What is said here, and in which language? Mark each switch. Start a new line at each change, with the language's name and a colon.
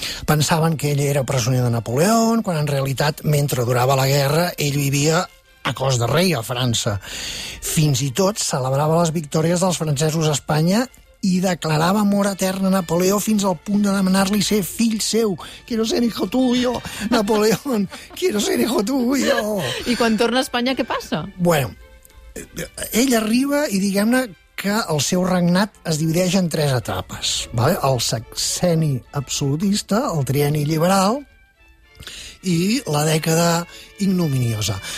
Catalan: Pensaven que ell era presoner de Napoleón, quan en realitat, mentre durava la guerra, ell vivia a cos de rei, a França. Fins i tot celebrava les victòries dels francesos a Espanya i declarava amor etern a Napoleó fins al punt de demanar-li ser fill seu.
Spanish: Quiero ser hijo tuyo, Napoleón. Quiero ser hijo tuyo.
Catalan: I quan torna a Espanya, què passa? Bueno, ell arriba i, diguem-ne, que el seu regnat es divideix en tres etapes. Vale? El sexenni absolutista, el trienni liberal i la dècada ignominiosa.